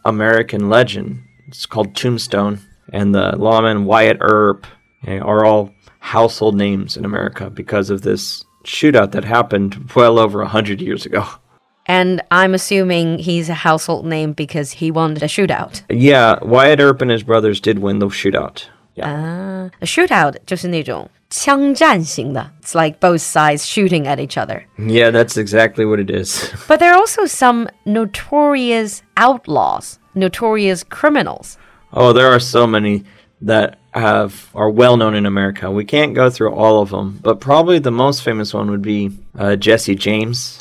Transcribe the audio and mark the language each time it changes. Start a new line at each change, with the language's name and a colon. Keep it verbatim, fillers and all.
English: American legend. It's called Tombstone, and the lawman Wyatt Earp are all household names in America because of this shootout that happened well over a hundred years ago. And I'm assuming he's a household name because he won the shootout. Yeah, Wyatt Earp and his brothers did win the shootout. Yeah. Ah, a shootout
Chinese: 就是那种枪战型的.
English: It's like both sides shooting at each other. Yeah, that's exactly what it is. But there are also some notorious outlaws, notorious criminals. Oh, there are so many that have are well known in America. We can't go through all of them, but probably the most famous one would be uh, Jesse James.